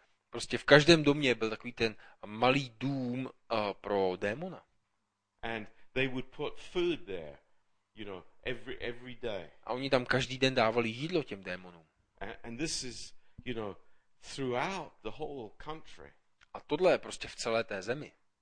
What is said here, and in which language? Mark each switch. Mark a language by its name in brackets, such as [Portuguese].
[Czech] Prostě v každém domě byl takový ten malý dům pro démona. [English] And they would put food there, you know, every day. [Czech] A oni tam každý den dávali jídlo těm démonům. [English] And this is, you know, throughout the whole country. [Czech] A tohle je prostě v celé té zemi.